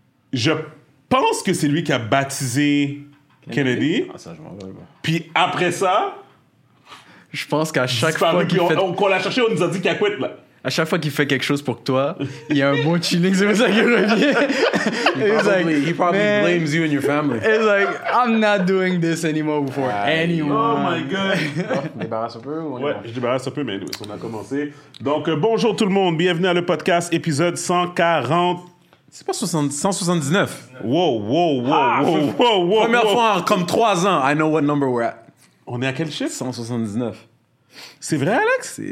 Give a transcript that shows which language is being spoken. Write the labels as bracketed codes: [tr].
[fr] Je pense que c'est lui qui a baptisé Kennedy. Ah, ça, je m'en rappelle pas. Puis après ça. Je pense qu'à chaque fois. Qu'on l'a cherché, on nous a dit qu'il a quit, là. À chaque fois qu'il fait quelque chose pour toi, il y a un bon chilling, c'est pour ça qu'il revient. [en] He probably blames you and your family. He's like, I'm not doing this anymore before anyone. Oh my God. [fr] Je débarrasse un peu, mais anyway, on a commencé. Donc, bonjour tout le monde, bienvenue à le podcast épisode 140. C'est pas 179. Wow. Première fois en comme 3 ans, [en] I know what number we're at. [fr] On est à quel chiffre? 179. C'est vrai, Alex?